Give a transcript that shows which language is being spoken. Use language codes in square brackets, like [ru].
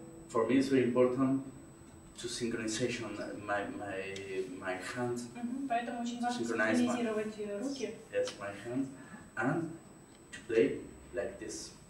[en] for me, it's very important to synchronization my hands. [ru] Поэтому очень важно синхронизировать руки. [en] Yes, my hands, and to play like this.